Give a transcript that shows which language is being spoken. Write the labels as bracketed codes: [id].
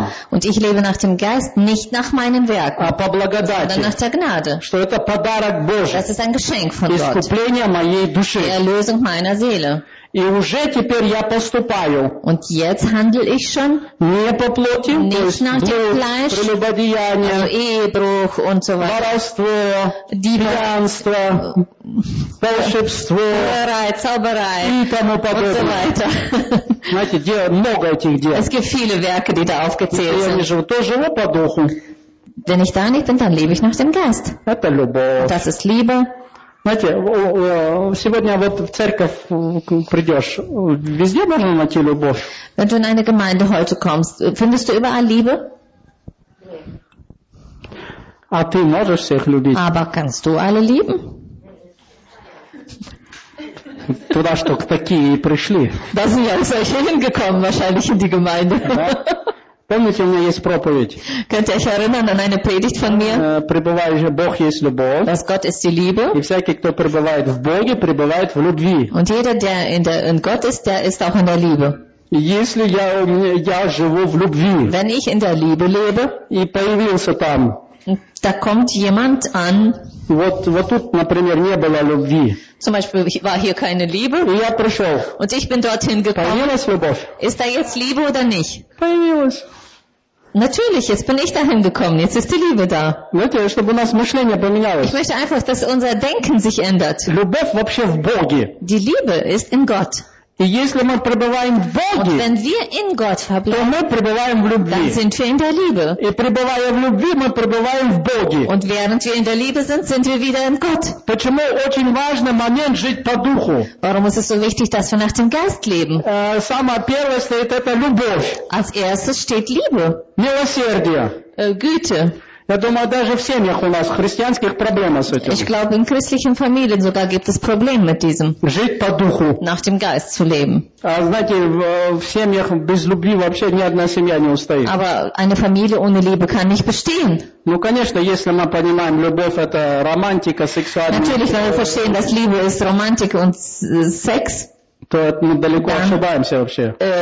[de] Und ich lebe nach dem Geist, nicht nach meinem Werk, sondern nach der Gnade. Das ist ein Geschenk von Gott. Die Erlösung meiner Seele. [ru] И уже теперь я поступаю. [de] Und jetzt handel ich schon. [ru] Не по плоти, [de] nicht nach dem Fleisch. [ru] Прелюбодеяние, [de] also Ehebruch und so weiter. [ru] Воровство, пьянство, волшебство, [de] Zauberei [ru] и тому подобное. [de] Und so weiter. [ru] Знаете, дел, много этих дел. [de] Es gibt viele Werke, die da aufgezählt sind. [ru] Я живу, то живу по духу. [de] Wenn ich da nicht bin, dann lebe ich nach dem Geist. [ru] Это любовь. [de] Das ist Liebe. [ru] Знаете, сегодня вот в церковь придешь, везде можно найти любовь. [de] Wenn du in eine Gemeinde heute kommst, findest du überall Liebe? [ru] А ты можешь всех любить? [de] Aber kannst du alle lieben? [ru] Туда что, к такие и пришли. [de] Da sind ja solche hingekommen, wahrscheinlich in die Gemeinde. [ru] Помните, у меня есть проповедь. [de] Könnt ihr euch erinnern an eine Predigt von mir? [ru] Пребывающий Бог есть любовь. [de] Dass Gott ist die Liebe. [ru] И всякий, кто пребывает в Боге, пребывает в любви. [de] Und jeder, der in Gott ist, der ist auch in der Liebe. [ru] Если я живу в любви. [de] Wenn ich in der Liebe lebe. [ru] И появился там. [de] Da kommt jemand an. [ru] Вот тут, например, не было любви. [de] Zum Beispiel war hier keine Liebe. [ru] И я пришел. [de] Und ich bin dorthin gekommen. [ru] Появилась любовь. [de] Ist da jetzt Liebe oder nicht? [ru] Появилась. [de] Natürlich, jetzt bin ich dahin gekommen, jetzt ist die Liebe da. Ich möchte einfach, dass unser Denken sich ändert. Die Liebe ist in Gott. [ru] Боге, [de] und wenn wir in Gott verbleiben, dann sind wir in der Liebe. [ru] Любви, [de] und während wir in der Liebe sind, sind wir wieder in Gott. [ru] Момент, [de] warum ist es so wichtig, dass wir nach dem Geist leben? [ru] Самое первое стоит, это любовь. [de] Als erstes steht Liebe. [ru] Милосердие. [de] Güte. [ru] Я думаю, даже в семьях у нас христианских проблем с этим. [de] Ich glaube, in christlichen Familien sogar gibt es Probleme mit diesem. [ru] Жить по духу. [de] Nach dem Geist zu leben. [ru] А знаете, в семьях без любви вообще ни одна семья не устоит. [de] Aber eine Familie ohne Liebe kann nicht bestehen. [ru] Ну, конечно, если мы понимаем, любовь это романтика, сексуальность. [de] Natürlich, wenn wir verstehen, dass Liebe ist Romantik und Sex. [ru] То мы далеко [de] dann, [ru] ошибаемся вообще.